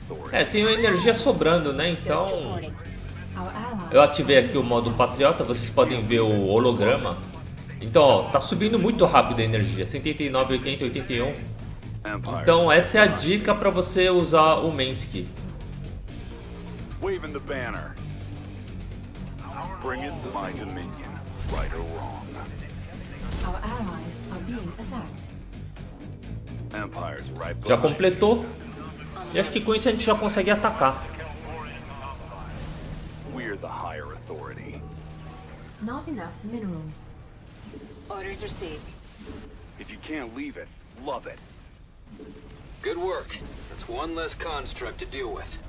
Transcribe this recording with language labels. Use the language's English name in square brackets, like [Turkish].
[Portuguese] É, tenho energia sobrando, né? Então, eu ativei aqui o modo Patriota, vocês podem ver o holograma. Então, ó, tá subindo muito rápido a energia, 79, 80, 81. Então, essa é a dica pra você usar o Mensky. [English] Waving the banner. Bring it to my dominion, right or wrong. Our allies are being attacked. Empire's right. [Portuguese] Já completou. E acho que com isso a gente já consegue atacar. [English] We're the higher authority. Not enough minerals. Orders received. If you can't leave it, love it. Good work. That's one less construct to deal with.